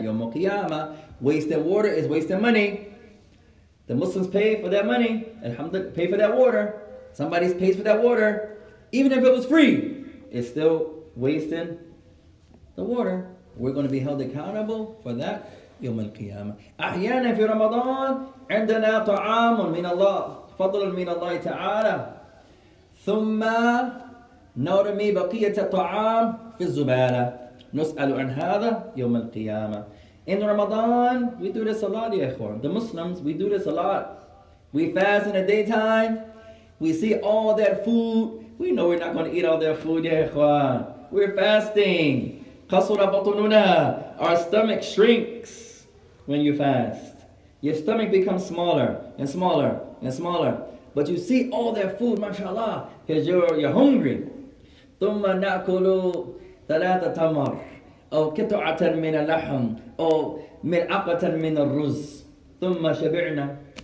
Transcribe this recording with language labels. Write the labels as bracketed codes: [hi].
[en] Yawm al-Qiyamah, wasted water is wasting money. The Muslims pay for that money. Alhamdulillah, pay for that water. Somebody pays for that water. Even if it was free, it's still wasting the water. We're going to be held accountable for that. Yawm al-Qiyamah. [ar] أحيانا في رمضان عندنا طعام من الله. فضل من الله تعالى ثم نرمي بقية الطعام في الزبالة نسأل عن هذا يوم القيامة. [en] In Ramadan, we do this a lot, ya ikhwan. The Muslims, we do this a lot. We fast in the daytime. We see all that food. We know we're not going to eat all that food, ya ikhwan. We're fasting. [ar] قصر بطننا. [en] Our stomach shrinks when you fast. Your stomach becomes smaller and smaller and smaller. But you see all that food, mashallah, because you're hungry. [ar] ثم نأكل ثلاثة تمر أو قطعة من اللحم أو مرقة من الرز ثم شبعنا.